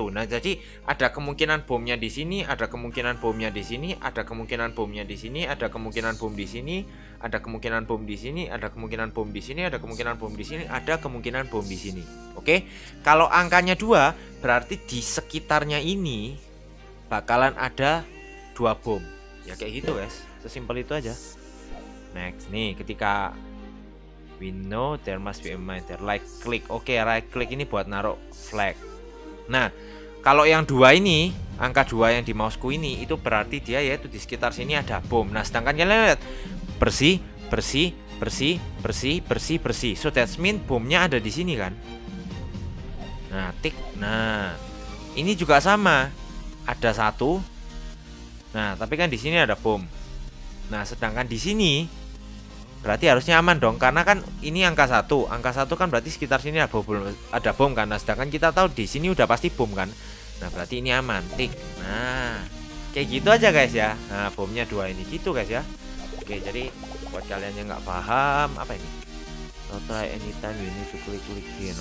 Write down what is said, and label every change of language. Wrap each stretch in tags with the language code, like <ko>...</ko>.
<id>Nah, jadi ada kemungkinan bomnya di sini, ada kemungkinan bomnya di sini, ada kemungkinan bomnya di sini, ada kemungkinan bom di sini. Ada kemungkinan bom di sini, ada kemungkinan bom di sini, ada kemungkinan bom di sini, ada kemungkinan bom di sini. Oke? Kalau angkanya 2, berarti di sekitarnya ini bakalan ada 2 bom. Ya kayak gitu, guys. Sesimpel itu aja.</id> <en>Next</en> <id>nih, ketika</id> <en>we know there must be a mine there, right click.</en> <id>Oke, right click ini buat naruh flag. Nah, kalau yang 2 ini, angka 2 yang di mouseku ini itu berarti dia yaitu di sekitar sini ada bom. Nah, sedangkan kalian lihat bersih, bersih, bersih, bersih, bersih, bersih.</id> <en>So that's mean</en> <id>bomnya ada di sini kan. Nah, tik. Nah, ini juga sama. Ada 1. Nah, tapi kan di sini ada bom. Nah, sedangkan di sini berarti harusnya aman dong karena kan ini angka 1. Angka 1 kan berarti sekitar sini ada bom kan. Nah, sedangkan kita tahu di sini udah pasti bom kan. Nah, berarti ini aman, tik. Nah, kayak gitu aja guys ya. Nah, bomnya 2 ini gitu guys ya. Oke, jadi buat kalian yang nggak paham apa ini?</id> <en>Don't try anytime you need to click again.</en>